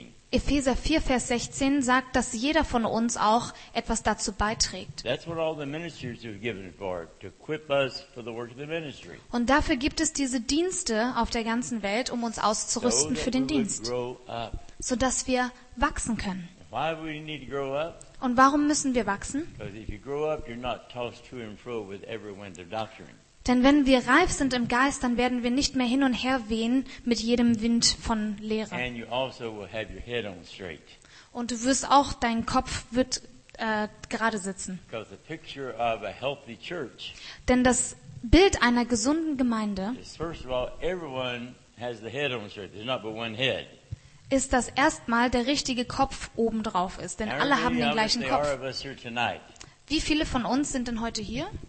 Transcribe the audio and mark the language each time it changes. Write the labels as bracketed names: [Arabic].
[German] Epheser 4, Vers 16 sagt, dass jeder von uns auch etwas dazu beiträgt. Und dafür gibt es diese Dienste auf der ganzen Welt, um uns auszurüsten für den Dienst, sodass wir wachsen können. [English] Why do we need to grow up? [German] Und warum müssen wir wachsen? [English] Because if you grow up, you're not tossed to and fro with every wind of doctrine. [German] Denn wenn wir reif sind im Geist, dann werden wir nicht mehr hin und her wehen mit jedem Wind von Lehre. [English] And you also will have your head on straight. [German] Und du wirst auch, dein Kopf wird gerade sitzen. [English] Because the picture of a healthy church. [German] Denn das Bild einer gesunden Gemeinde. [English] First of all, everyone has the head on straight. There's not but one head. [German] Ist, dass erstmal der richtige Kopf oben drauf ist, denn alle haben den gleichen Kopf. Wie viele von uns sind denn heute hier?